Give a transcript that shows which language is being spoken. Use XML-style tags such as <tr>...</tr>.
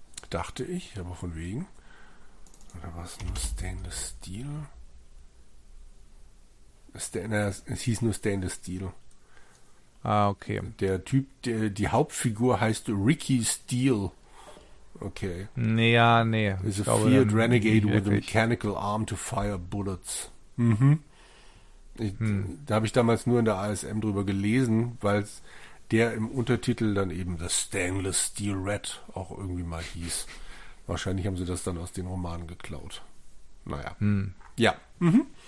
<de>Dachte ich, aber von wegen. Oder war es nur Stainless Steel? Es hieß nur Stainless Steel. Ah, okay. Der Typ, die Hauptfigur heißt Ricky Steele. Okay. Nee, ja, nee.</de> <en>Is a feared renegade with a mechanical arm to fire bullets. Mhm.</en> <de>Da habe ich damals nur in der ASM drüber gelesen, weil der im Untertitel dann eben The Stainless Steel Rat auch irgendwie mal hieß. Wahrscheinlich haben sie das dann aus den Romanen geklaut. Naja. Hm. Ja. Mhm.</de>